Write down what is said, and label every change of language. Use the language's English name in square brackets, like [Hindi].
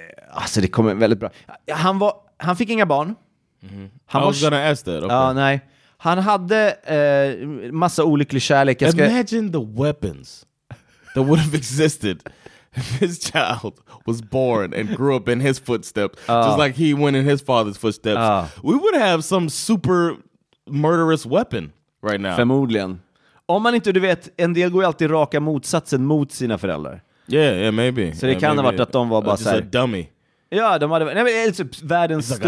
[Swedish] alltså, det kommer väldigt bra. Han fick inga barn. [English] Mm-hmm. I was gonna ask that. Okay. [Swedish] Nej. Han hade massa olycklig kärlek. [English] Imagine the weapons that would have existed if his child was born and grew up in his footsteps. Just like he went in his father's footsteps. We would have some super murderous weapon right now. [Swedish] Förmodligen. Om man inte, du vet, en del går alltid raka motsatsen mot sina föräldrar. [English] Yeah, maybe. [Swedish] Så det kan ha varit att de var bara [English] just a dummy. [Swedish] Ja, de hade... Nej, men det är typ världens största...